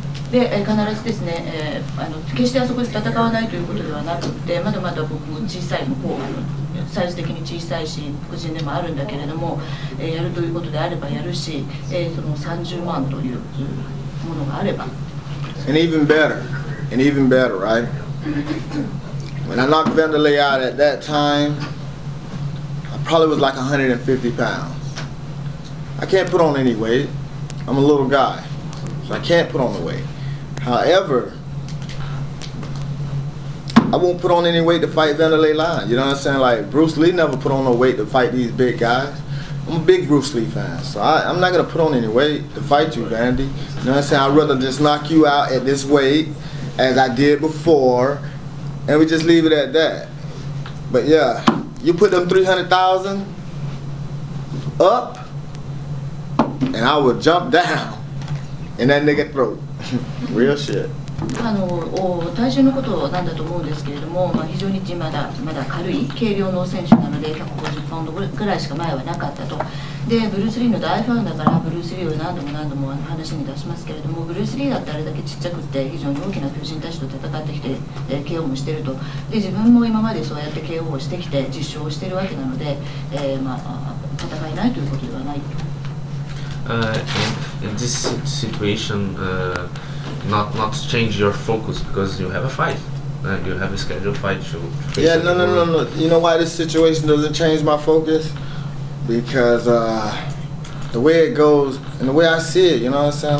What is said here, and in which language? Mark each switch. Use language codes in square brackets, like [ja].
[ja] で、必ずですね、決してあそこで戦わないということではなくて、まだまだ僕も小さい向こうがサイズ的に小さいし、黒人でもあるんだけれども、やるということであればやるし、その30万というものがあれば。 [en] And even better, and even better, right? When I knocked Vanderlei out at that time, I probably was like 150 pounds. I can't put on any weight. I'm a little guy, so I can't put on the weight. However, I won't put on any weight to fight Vanderlei line. You know what I'm saying? Like, Bruce Lee never put on no weight to fight these big guys. I'm a big Bruce Lee fan, so I'm not gonna put on any weight to fight you, Vandy. You know what I'm saying? I'd rather just knock you out at this weight as I did before, and we just leave it at that. But yeah, you put them 300,000 up, and I will jump down in that nigga throat. Real shit. [ja] 体重のことなんだと思うんですけれども、まあ、非常にまだ軽い軽量の選手なので150ポンドぐらいしか前はなかったと。でブルース・リーの大ファンだからブルース・リーを何度も話に出しますけれども、ブルース・リーだってあれだけちっちゃくて非常に大きな巨人たちと戦ってきて、KO もしてると。で自分も今までそうやって KO をしてきて実証をしてるわけなので、まあ、戦えないということではないと。 [en] In this situation, not change your focus because you have a fight, and you have a scheduled fight to face. Yeah, no. You know why this situation doesn't change my focus? Because the way it goes and the way I see it, you know what I'm saying?